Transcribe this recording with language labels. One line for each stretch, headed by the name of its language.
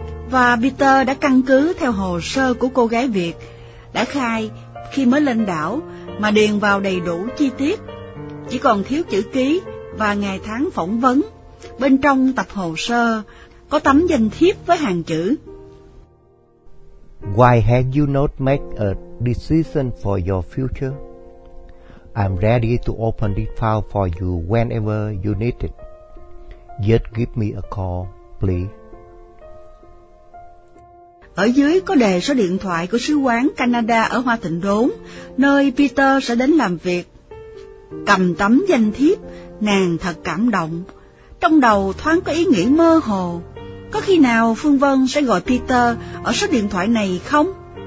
Vietnamese: Và Peter đã căn cứ theo hồ sơ của cô gái Việt, đã khai khi mới lên đảo mà điền vào đầy đủ chi tiết. Chỉ còn thiếu chữ ký và ngày tháng phỏng vấn. Bên trong tập hồ sơ có tấm danh thiếp với hàng chữ.
English: Why have you not made a decision for your future? I'm ready to open this file for you whenever you need it. Just give me a call, please.
Vietnamese: Ở dưới có đề số điện thoại của Sứ quán Canada ở Hoa Thịnh Đốn, nơi Peter sẽ đến làm việc. Cầm tấm danh thiếp, nàng thật cảm động. Trong đầu thoáng có ý nghĩ mơ hồ. Có khi nào Phương Vân sẽ gọi Peter ở số điện thoại này không?